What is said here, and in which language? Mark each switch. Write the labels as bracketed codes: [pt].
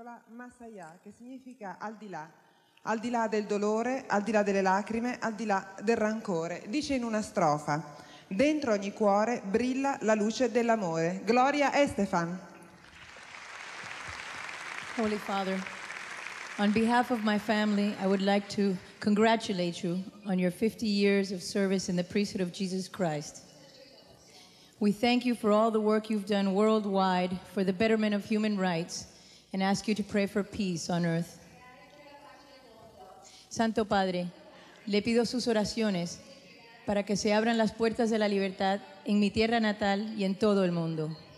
[es] Más allá, que significa [it] al di là del dolore, al di là delle lacrime, al di là del rancore. Dice in una strofa, dentro ogni cuore brilla la luce dell'amore. Gloria Estefan. [en] Holy Father, on behalf of my family, I would like to congratulate you on your 50 years of service in the priesthood of Jesus Christ. We thank you for all the work you've done worldwide for the betterment of human rights, and ask you to pray for peace on earth. [es] Santo Padre, le pido sus oraciones para que se abran las puertas de la libertad en mi tierra natal y en todo el mundo.